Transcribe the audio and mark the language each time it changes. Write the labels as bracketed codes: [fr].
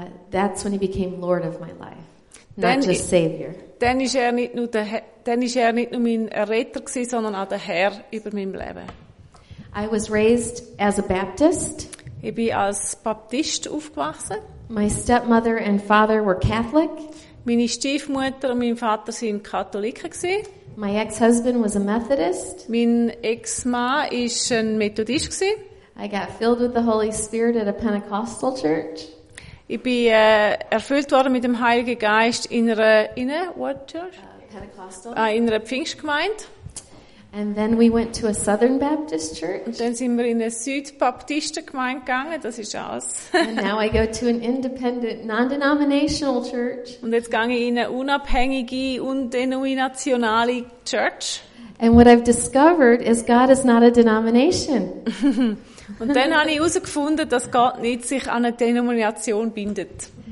[en] That's when he became Lord of my life, not just Savior. [de] Dann ist er nicht nur mein Erretter gewesen, sondern auch der Herr über meinem Leben. [en] I was raised as a Baptist. [de] Ich bin als Baptist aufgewachsen. [en] My stepmother and father were Catholic. [de] Meine Stiefmutter und mein Vater sind Katholiken gewesen. [en] My ex-husband was a Methodist. [de] Mein Ex-Mann ist ein Methodist gewesen. [en] I got filled with the Holy Spirit at a Pentecostal church. [de] Ich bin erfüllt worden mit dem Heiligen Geist in einer [en] Pentecostal. [de] in einer Pfingstgemeinde. [en] And then we went to a Southern Baptist church. [de] Und dann sind wir in eine Südbaptistengemeinde gegangen, das ist alles. [en] And now I go to an independent, non-denominational church. [de] Und jetzt gehe ich in eine unabhängige, undenominationale Church. [en] And what I've discovered is God is not a denomination. [de] Und dann habe ich herausgefunden, dass Gott nicht sich an eine Denomination bindet.